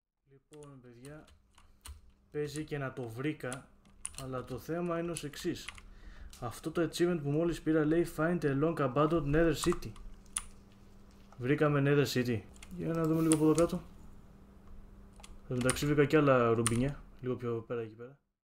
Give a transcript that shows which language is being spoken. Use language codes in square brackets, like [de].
[el] Λοιπόν, παιδιά, παίζει και να το βρήκα, αλλά το θέμα είναι ως εξής. Αυτό το achievement που μόλις πήρα λέει [en] Find a long abandoned nether city. [el] Βρήκαμε nether city. Για να δούμε λίγο από εδώ κάτω. Εν μεταξύ βρήκα και άλλα ρουμπινιά, λίγο πιο πέρα εκεί πέρα.